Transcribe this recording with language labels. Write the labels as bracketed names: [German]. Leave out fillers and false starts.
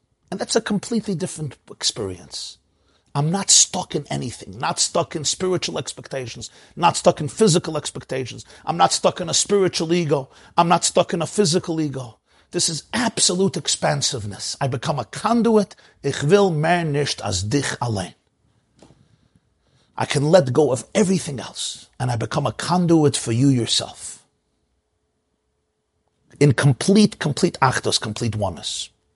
[English] And that's a completely different experience. I'm not stuck in anything. Not stuck in spiritual expectations. Not stuck in physical expectations. I'm not stuck in a spiritual ego. I'm not stuck in a physical ego. This is absolute expansiveness. I become a conduit. [Yiddish] Ich will mehr nicht als dich allein. [English] I can let go of everything else and I become a conduit for you yourself. In complete achdus, complete oneness.